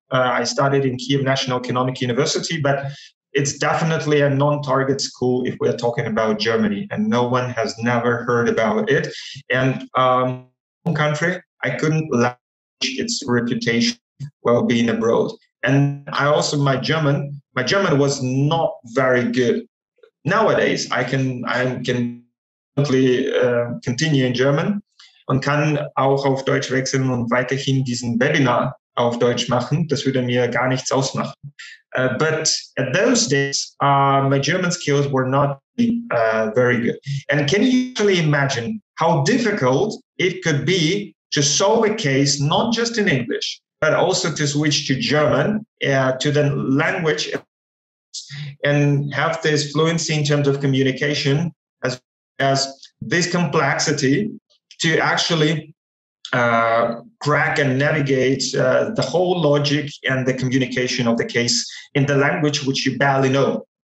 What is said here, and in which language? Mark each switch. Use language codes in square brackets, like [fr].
[en] I studied in Kyiv National Economic University, but it's definitely a non-target school if we're talking about Germany, and no one has never heard about it. And home country, I couldn't leverage its reputation while being abroad. And I also, my German was not very good. Nowadays, I can continue in German [de] und kann auch auf Deutsch wechseln und weiterhin diesen Webinar auf Deutsch machen. Das würde mir gar nichts ausmachen. [en] But at those days, my German skills were not very good. And can you actually imagine how difficult it could be to solve a case, not just in English, but also to switch to German, to the language and have this fluency in terms of communication as this complexity to actually crack and navigate the whole logic and the communication of the case in the language which you barely know.